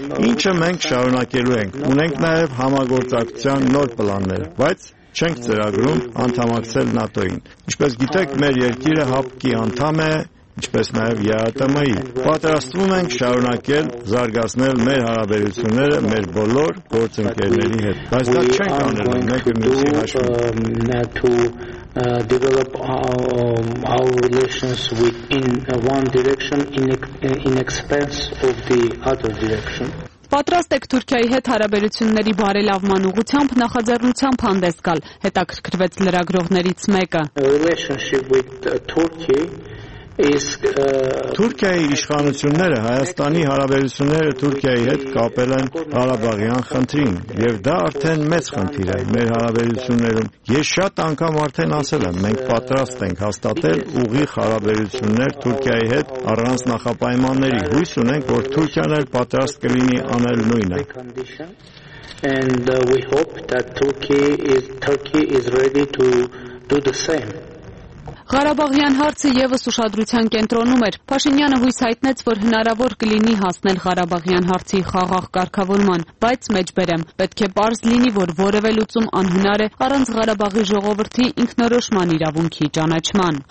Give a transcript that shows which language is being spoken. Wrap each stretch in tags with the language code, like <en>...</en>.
<hy>Ինչը մենք շարունակելու ենք, ունենք նաեւ համագործակցության նոր պլաններ, բայց չենք ծրագրում անդամակցել ՆԱՏՕ-ին։ Ինչպես գիտեք, մեր երկիրը ՀԱՊԿ-ի անդամ է, ինչպես նաև ԵԱՏՄ-ի։ Պատրաստվում ենք շարունակել զարգացնել մեր հարաբերությունները մեր բոլոր գործընկերների հետ, բայց դա չենք անելու մեկը մյուսի հաշվին։</hy> <en>Develop our relations with in one direction in expense of the other direction.</en> <hy>Պատրաստ եք Թուրքիայի հետ հարաբերությունների բարելավման ուղղությամբ նախաձեռնությամբ հանդես գալ, հետաքրքրվեց լրագրողներից մեկը։ Թուրքիայի իշխանությունները Հայաստանի հարաբերությունները Թուրքիայի հետ կապել են Ղարաբաղյան խնդրին, եւ դա արդեն մեծ խնդիր է մեր հարաբերություններում։ Ես շատ անգամ արդեն ասել եմ, մենք պատրաստ ենք հաստատել ուղիղ հարաբերություններ Թուրքիայի հետ առանց նախապայմանների։ Հույս ունենք, որ Թուրքիան էլ պատրաստ կլինի անել նույնը։</hy> <en>And we hope that Turkey is ready to do the same.</en> <hy>Ղարաբաղյան հարցը եւս ուշադրության կենտրոնում էր։ Փաշինյանը հույս հայտնեց, որ հնարավոր կլինի հասնել Ղարաբաղյան հարցի խաղաղ կարգավորման, բայց մեջբերեմ, պետք է պարզ լինի, որ որևէ լուծում անհնար է առանց Ղարաբաղի ժողովրդի ինքնորոշման իրավունքի ճանաչման։</hy>